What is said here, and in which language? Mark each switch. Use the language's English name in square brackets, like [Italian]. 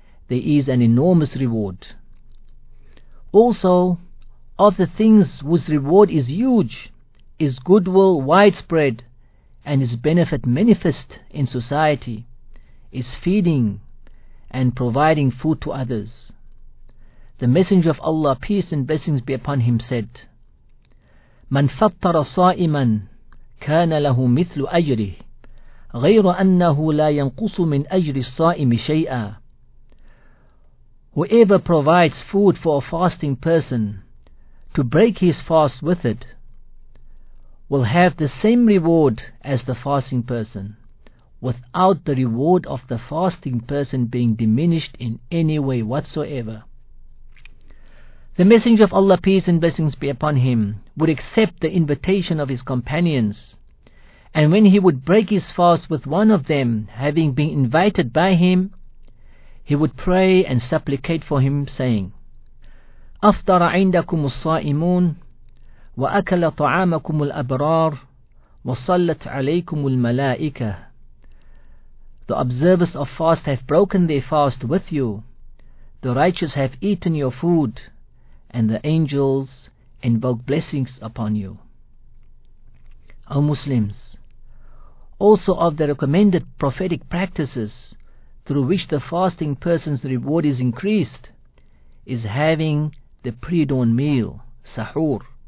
[English] there is an enormous reward. Also, of the things whose reward is huge, is goodwill widespread, and is benefit manifest in society, is feeding and providing food to others. The Messenger of Allah, peace and blessings be upon him, said, [Arabic] مَنْ فَطَّرَ صَائِمًا كَانَ لَهُ مِثْلُ أَجْرِهِ غَيْرُ أَنَّهُ لَا يَنْقُصُ مِنْ أَجْرِ الصَّائِمِ شَيْئًا. [English] Whoever provides food for a fasting person, to break his fast with it, will have the same reward as the fasting person, without the reward of the fasting person being diminished in any way whatsoever. The Messenger of Allah, peace and blessings be upon him, would accept the invitation of his companions, and when he would break his fast with one of them, having been invited by him, he would pray and supplicate for him, saying, [Arabic] أفطر عندكم الصائمون وأكل طعامكم الأبرار وصلت عليكم الملائكة. [English] The observers of fast have broken their fast with you, the righteous have eaten your food, and the angels invoke blessings upon you. O Muslims, also of the recommended prophetic practices through which the fasting person's reward is increased is having the pre-dawn meal, sahur.